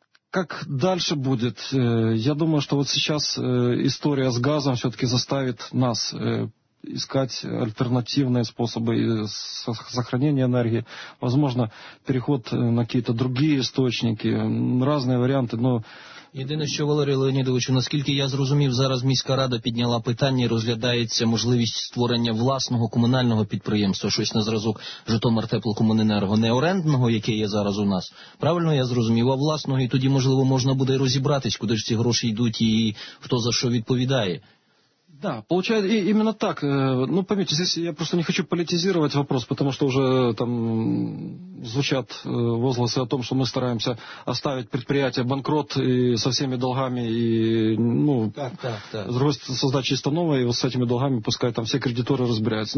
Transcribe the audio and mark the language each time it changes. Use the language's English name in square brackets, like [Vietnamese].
[Russian] Как дальше будет? Я думаю, что вот сейчас история с газом все-таки заставит нас искать альтернативные способы сохранения энергии. Возможно, переход на какие-то другие источники, разные варианты, но... [Ukrainian] Єдине, що, Валерій Леонідович, наскільки я зрозумів, зараз міська рада підняла питання і розглядається можливість створення власного комунального підприємства, щось на зразок Житомиртеплокомуненерго, не орендного, яке є зараз у нас. Правильно я зрозумів, а власного, і тоді, можливо, можна буде розібратись, куди ж ці гроші йдуть і хто за що відповідає. [Russian] Да, получается, именно так. Ну, поймите, здесь я просто не хочу политизировать вопрос, потому что уже там звучат возгласы о том, что мы стараемся оставить предприятие банкрот и со всеми долгами, и, ну, так. Создать чисто новое, и вот с этими долгами пускай там все кредиторы разбираются.